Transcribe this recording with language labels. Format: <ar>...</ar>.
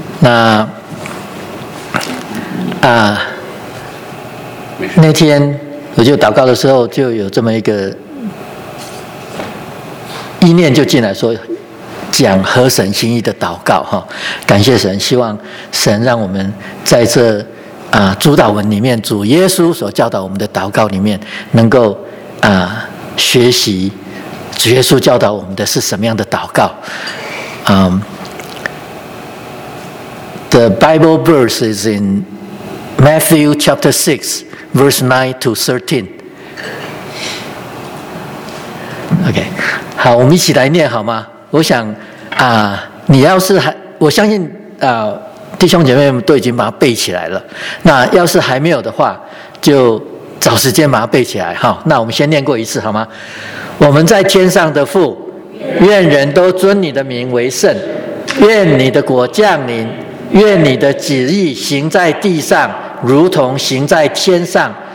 <zh>那啊，那天我就祷告的时候，就有这么一个意念就进来说，讲合神心意的祷告哈，感谢神，希望神让我们在这。主导文里面，主耶稣所教导我们的祷告里面，能够学习主耶稣教导我们的是什么样的祷告。</zh> <en>The Bible verse is in Matthew chapter 6, verse 9 to 13.</en> <zh>Okay, 好，我们一起来念好吗？我想你要是还，我相信弟兄姐妹们都已经把它背起来了，那要是还没有的话，就找时间把它背起来。好，那我们先念过一次好吗？我们在天上的父，愿人都尊你的名为圣，愿你的国降临，愿你的旨意行在地上，如同行在天上。</zh>